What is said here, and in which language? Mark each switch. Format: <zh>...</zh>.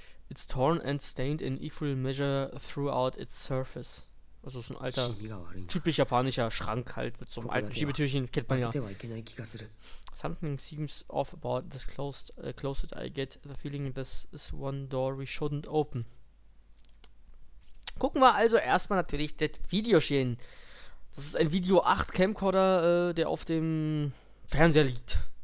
<en>It's torn and stained in equal measure throughout its surface.</en> <de>Also so ein alter, typisch japanischer Schrank halt mit so einem alten Schiebetürchen, kennt man ja.</de> <en>Something seems off about this closet. I get the feeling this is one door we shouldn't open.</en> <de>Gucken wir also erstmal natürlich das Video stehen. Das ist ein Video 8 Camcorder, der auf dem Fernseher liegt.</de>